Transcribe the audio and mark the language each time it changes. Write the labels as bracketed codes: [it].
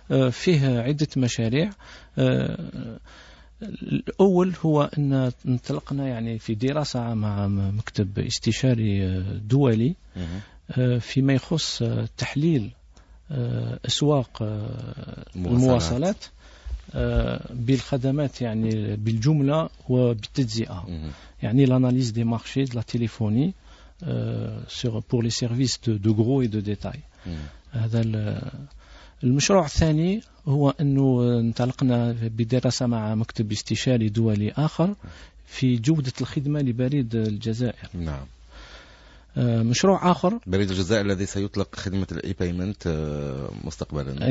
[ar] فيه عدة مشاريع. الأول هو أن انطلقنا يعني في دراسة مع مكتب استشاري دولي فيما يخص تحليل أسواق المواصلات بالخدمات يعني بالجملة وبالتجزئة. يعني [fr] l'analyse des marchés de la téléphonie sur pour les services de gros et de détail. [ar] هذا المشروع الثاني هو أنه انطلقنا بدراسة مع مكتب استشاري دولي آخر في جودة الخدمة لبريد الجزائر. نعم. مشروع آخر. بريد الجزائر الذي سيطلق خدمة الإي بايمنت مستقبلاً.